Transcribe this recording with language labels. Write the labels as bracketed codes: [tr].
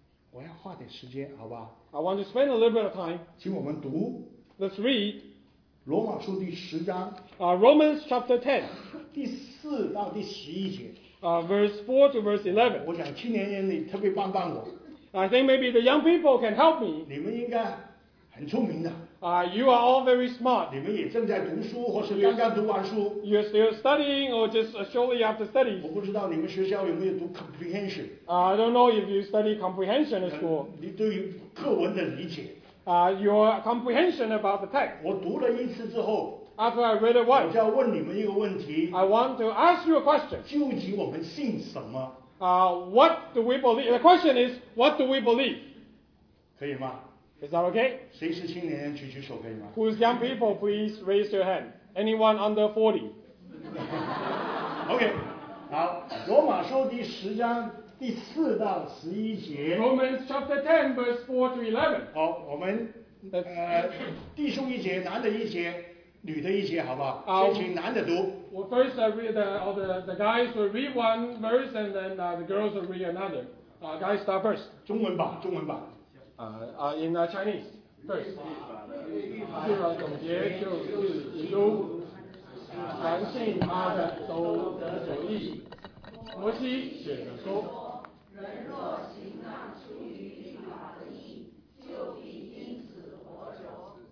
[zh] 我要花点时间，好吧？ [en] I want to spend a little bit of time. [zh] 请我们读。 [en] Let's read. [zh] 罗马书第十章。 [en] Romans chapter 10. [zh] 第四到第十一节。 [en] Verse 4 to verse 11. [zh] 我想青年人你特别帮帮我。 [en] I think maybe the young people can help me. [zh] 你们应该很聪明的。 [en] You are all very smart. [zh] 你们也正在读书，或是刚刚读完书。 [en] You're still studying, or just shortly after study. [zh] 我不知道你们学校有没有读 comprehension. [en] I don't know if you study comprehension at school. [zh] 你对于课文的理解。 [en] Your comprehension about the text. [zh] 我读了一次之后。 [en] After I read it once. [zh] 我就要问你们一个问题。 [en] I want to ask you a question. [zh] 究竟我们信什么？ [en] What do we believe? The question is, what do we believe? [zh] 可以吗？ [en] Is that okay? [zh] 谁是青年人举举手可以吗？ [en] Who's young people, please raise your hand. Anyone under 40? Okay. [zh] 好，罗马书第十章第四到十一节。 [en] Romans chapter 10, verse 4 to 11. [zh] 好，我们弟兄一节，男的一节，女的一节，好不好？先请男的读。 [en] Well, first I read the guys will read one verse and then the girls will read another. Guys start first. [zh] 中文版，中文版。 [en] In Chinese, first. [zh] 是的，总结就是如，凡信他的都得着义。摩西写的说，人若行那出于律法的义，就必因此活着。